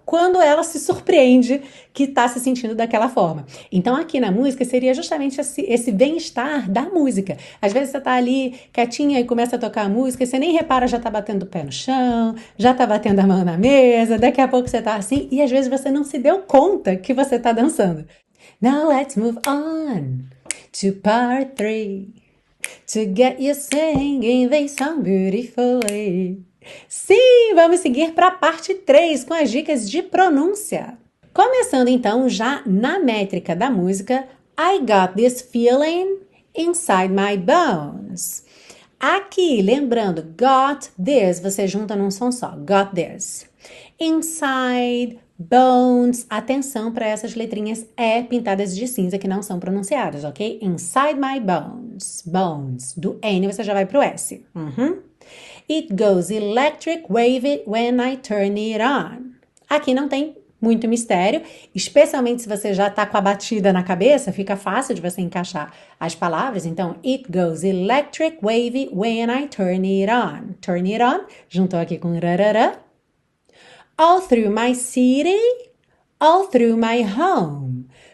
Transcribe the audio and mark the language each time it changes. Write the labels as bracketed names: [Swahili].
[Portuguese] Quando ela se surpreende que está se sentindo daquela forma. Então, aqui na música, seria justamente esse bem-estar da música. Às vezes, você está ali quietinha e começa a tocar a música, e você nem repara, já está batendo o pé no chão, já está batendo a mão na mesa, daqui a pouco você está assim, e às vezes você não se deu conta que você está dançando. [English] Now let's move on to part three. To get you singing this song beautifully. [Portuguese] Sim, vamos seguir para a parte 3 com as dicas de pronúncia. Começando então já na métrica da música, [English] I got this feeling inside my bones. [Portuguese] Aqui, lembrando, got this, você junta num som só, got this. Inside bones, atenção para essas letrinhas E pintadas de cinza que não são pronunciadas, ok? [English] Inside my bones, bones. [Portuguese] Do N você já vai para o S. [English] It goes electric, wavy when I turn it on. [Portuguese] Aqui não tem muito mistério, especialmente se você já está com a batida na cabeça, fica fácil de você encaixar as palavras. [English] Então, it goes electric, wavy when I turn it on. Turn it on, [Portuguese] juntou aqui com rarara. [English] All through my city, all through my home.